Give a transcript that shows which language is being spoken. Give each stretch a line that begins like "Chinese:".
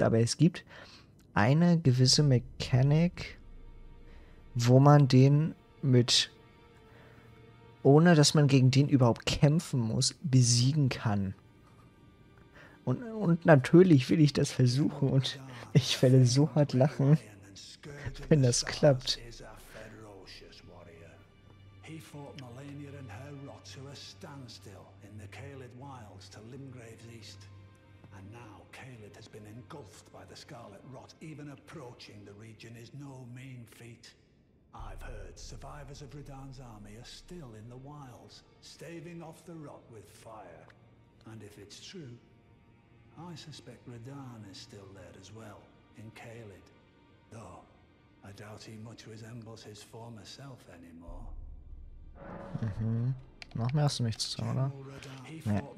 German: Aber es gibt eine gewisse Mechanik, wo man den mit, ohne dass man gegen den überhaupt kämpfen muss, besiegen kann. Und natürlich will ich das versuchen und ich werde so hart lachen, wenn das klappt.
English: Is a ferocious warrior. He fought Melania and her rot to a standstill in the Caelid Wilds to Limgrave's east. And now Caelid has been engulfed by the Scarlet Rot. Even approaching the region is no mean feat. I've heard survivors of Radahn's army are still in the wilds, staving off the rot with fire. And if it's true, I suspect Radahn is still there as well, in Caelid. Though, I doubt he much resembles his former self anymore. Mhm.
German: Noch mehr hast du nichts zu sagen, oder?